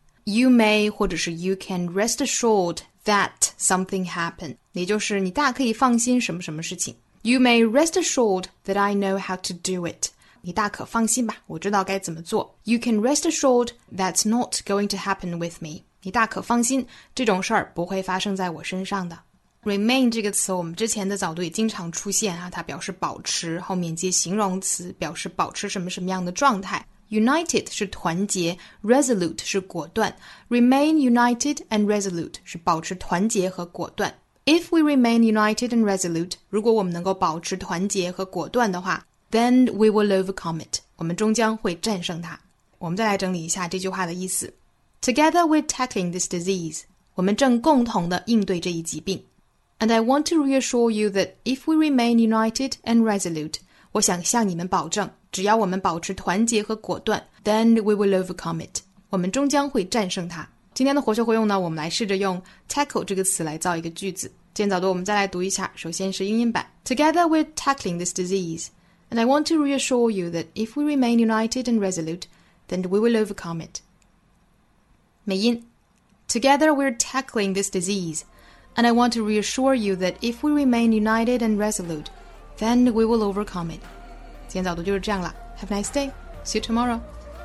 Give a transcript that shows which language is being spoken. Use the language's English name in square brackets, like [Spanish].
[English] You may [Chinese] 或者是 [English] you can rest assured that something happened. [Chinese] 也就是你大可以放心什么什么事情。 [English] You may rest assured that I know how to do it. [Chinese] 你大可放心吧，我知道该怎么做。 [English] You can rest assured that's not going to happen with me. [Chinese] 你大可放心，这种事儿不会发生在我身上的。 Remain 这个词我们之前的早读也经常出现啊，它表示保持，后面接形容词，表示保持什么什么样的状态。 United 是团结， Resolute 是果断。 [English] Remain united and resolute [Chinese] 是保持团结和果断。 [English] If we remain united and resolute, [Chinese] 如果我们能够保持团结和果断的话， [English] then we will overcome it, [Chinese] 我们终将会战胜它。我们再来整理一下这句话的意思。 [English] Together we're tackling this disease, [Chinese] 我们正共同地应对这一疾病。 [English] And I want to reassure you that if we remain united and resolute, [Chinese] 我想向你们保证，只要我们保持团结和果断 [English] then we will overcome it. [Chinese] 我们终将会战胜它。今天的活学活用呢，我们来试着用 tackle 这个词来造一个句子。今天早读我们再来读一下，首先是英音版。 [English] Together we're tackling this disease. And I want to reassure you that if we remain united and resolute, then we will overcome it. 美音。Together we're tackling this disease. And I want to reassure you that if we remain united and resolute, then we will overcome it. [Chinese] 今天早读就是这样了。 [English] Have a nice day. See you tomorrow.